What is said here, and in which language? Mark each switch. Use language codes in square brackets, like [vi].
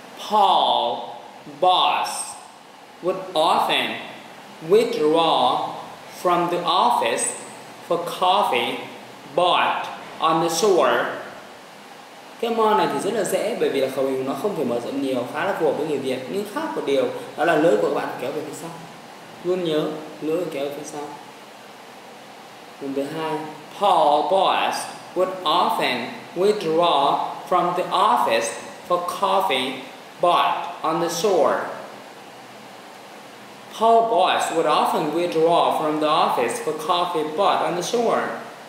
[en] Paul, boss, would often withdraw from the office for coffee bought on the shore. [vi] Cái mo này thì rất là dễ bởi vì là khẩu hình nó không phải mở rộng nhiều, khá là phù hợp với người Việt. Nhưng khác một điều đó là lưỡi của các bạn kéo về phía sau. Luôn nhớ, lưỡi kéo về phía sau. Phần thứ hai, [en] Paul Boas would often withdraw from the office for coffee bought on the shore. Paul Boas would often withdraw from the office for coffee bought on the shore.